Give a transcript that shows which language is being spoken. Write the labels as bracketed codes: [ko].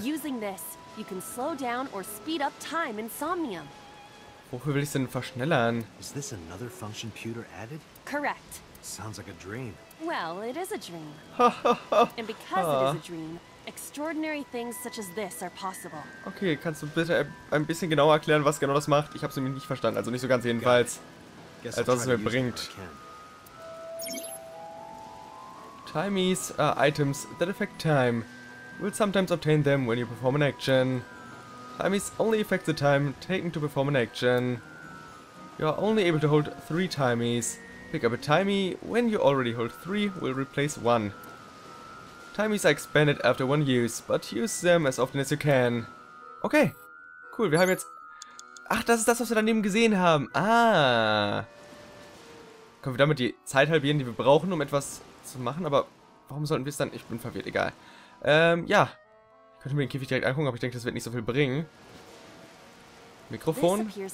[en] Using this, you can slow down or speed up time in Somnium. [de] Wofür will ich es denn verschnellern? [en] Is this another function Pewter added? Correct. Sounds like a dream. Well, it is a dream. Ha. And because it is a dream, extraordinary things such as this are possible. [de] Okay, kannst du bitte ein bisschen genauer erklären, was genau das macht? Ich habe es nämlich nicht verstanden, also nicht so ganz jedenfalls. Als was es mir bringt. [en] Timeys are items that affect time. You will sometimes obtain them when you perform an action. Timeys only affect the time taken to perform an action. You are only able to hold 3 timeys. Pick up a timey when you already hold 3, will replace 1. Timeys are expanded after 1 use, but use them as often as you can. [de] Okay, cool, wir haben jetzt... Ach, das ist das, was wir daneben gesehen haben. Ah. Können wir damit die Zeit halbieren, die wir brauchen, um etwas zu machen? Aber warum sollten wir es dann... Ich bin verwirrt, egal. Ja. Ich könnte mir den Käfig direkt angucken, aber ich denke, das wird nicht so viel bringen. Mikrofon.